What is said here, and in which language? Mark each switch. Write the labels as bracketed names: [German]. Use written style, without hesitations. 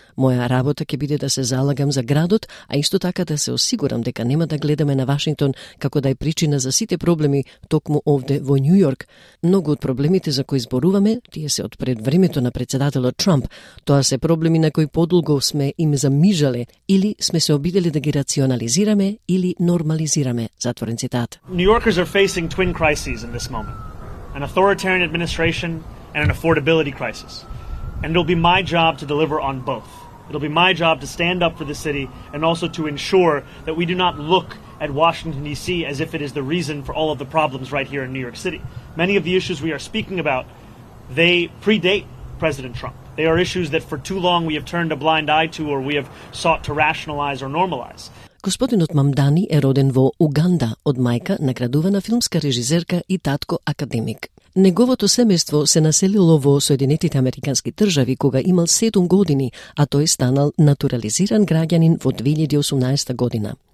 [Macedonian] Моја работа ќе биде да се залагам за градот, а исто така да се осигурам дека нема да гледаме на Вашингтон како да е причина за сите проблеми токму овде во Њујорк. Многу од проблемите за кои зборуваме, тие се од пред времето на председателот Трамп, тоа се проблеми на кои подолго сме им замижале или сме се обиделе да ги рационализираме или нормализираме. [English] New Yorkers are facing twin crises in this moment, an authoritarian administration and an affordability crisis. And it'll be my job to deliver on both. It'll be my job to stand up for the city and also to ensure that we do not look at Washington, D.C. as if it is the reason for all of the problems right here in New York City. Many of the issues we are speaking about, they predate President Trump. They are issues that for too long we have turned a blind eye to or we have sought to rationalize or normalize. [Macedonian] Господинот Мамдани е роден во Уганда од мајка, наградувана филмска режизерка и татко академик. Неговото семејство се населило во Соединетите Американски држави кога имал 7 години, а тој станал натурализиран граѓанин во 2018 година.